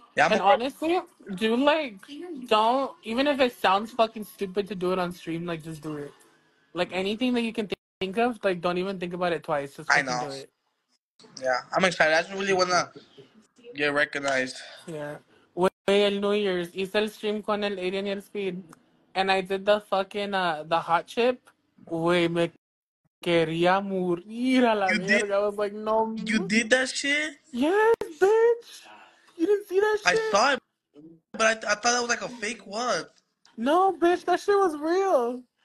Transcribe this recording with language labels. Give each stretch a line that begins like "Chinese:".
English: Yeah, and honestly, don't, even if it sounds fucking stupid to do it on stream, like, just do it. Like, anything that you can think of, like, don't even think about it twice. Just fucking do it. Yeah, I'm excited. I just really want to get recognized.
Spanish: Yeah. Way el New Year's. Hice el stream con el Aiden y el Speed.
English: And I did the fucking, the hot chip.
Spanish: Way me quería morir a la mierda.
English: I was like, no. You did that shit? Yes, bitch. You didn't see that shit? I saw it, but I thought that was like a fake one. No, bitch, that shit was real.